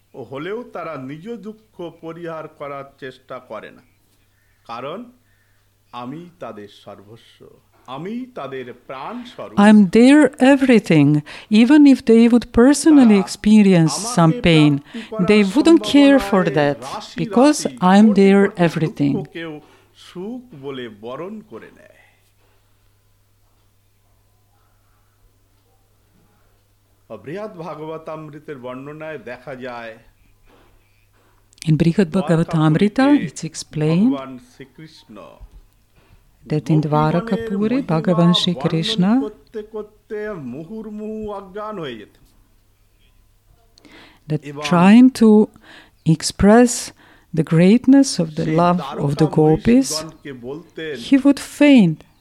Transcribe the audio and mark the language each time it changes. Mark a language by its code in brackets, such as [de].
[bn] হলেও তারা নিজ দুঃখ পরিহার করার চেষ্টা করে না, কারণ আমি তাদের সর্বস্ব, আমি তাদের প্রাণ স্বরূপ. [en] I am their everything. Even if they would personally experience some pain, they wouldn't care for that, because I am their everything. [bn] সুখ বলে বরণ করে নেয়। বৃহৎ ভাগবতামৃতের বর্ণনায় দেখা যায়, [en] in Brihad Bhagavatamrita it's explained [bn] ভগবান শ্রীকৃষ্ণ [en] that in দ্বারকাপুরে ভগবান শ্রীকৃষ্ণ [bn] করতে করতে মুহুর্মুহু অজ্ঞান হয়ে যেত। [en] That trying to express the greatness of the love of the gopis, he would faint.